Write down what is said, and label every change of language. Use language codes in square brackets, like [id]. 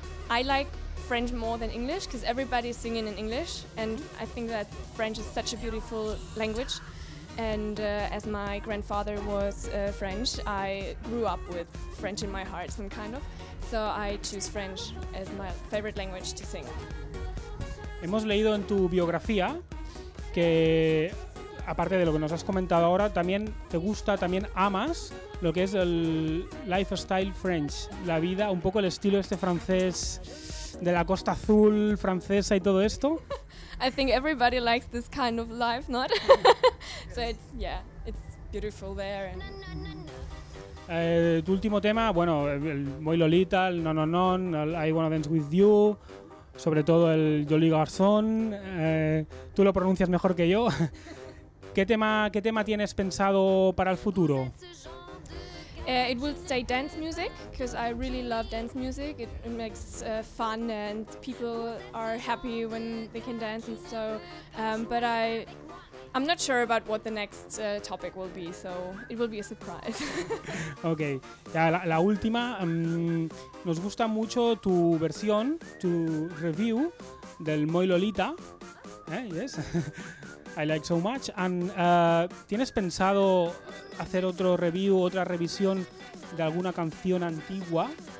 [en] I like French more than English because everybody is singing in English and I think that French is such a beautiful language. And as my grandfather was French, I grew up with French in my heart, some kind of. So I choose French as my favorite language to sing. [es] Hemos leído en tu biografía que, aparte de lo que nos has comentado ahora, también te gusta, también amas lo que es el lifestyle French, la vida, un poco el estilo este francés de la Costa Azul francesa y todo esto. [en] I think everybody likes this kind of life, not? So it's, yeah, it's beautiful there. And [es] tu último tema, bueno, el Moi Lolita, el No No No, I Wanna Dance With You, sobre todo el Joli Garzón, tú lo pronuncias mejor que yo. ¿Qué tema tienes pensado para el futuro? [en] It will stay dance music, because I really love dance music. It makes fun and people are happy when they can dance and so. But I'm not sure about what the next topic will be, so it will be a surprise. [es] Okay, ya la última. Nos gusta mucho tu versión, tu review del Moi Lolita. [en] Yes. I like so much. [es] And ¿tienes pensado hacer otro review, otra revisión de alguna canción antigua?